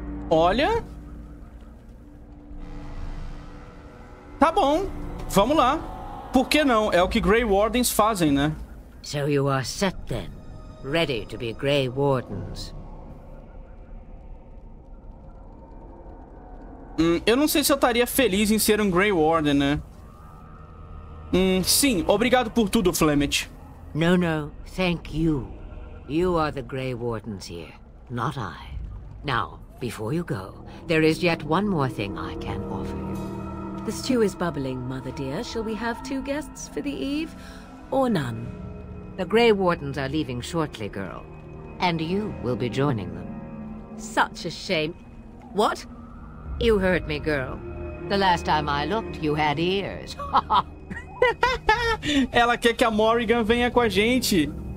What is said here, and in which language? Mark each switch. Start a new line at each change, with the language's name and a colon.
Portuguese: Olha! Tá bom, vamos lá. Por que não? É o que Grey Wardens fazem, né?
English: So you are set then, ready to be Grey Wardens.
Portuguese: Eu não sei se eu estaria feliz em ser um Grey Warden, né? Sim, obrigado por tudo, Flemmet.
English: No, no, thank you. You are the Grey Wardens here, not I. Now, before you go, there is yet one more thing I can offer you. The stew is bubbling, Mother dear. Shall we have two guests for the eve? Or none? The Grey Wardens are leaving shortly, girl. And you will be joining them. Such a shame. What? You heard me, girl. The last time I looked, you had ears.
Portuguese: Ela quer que a Morrigan venha com a gente.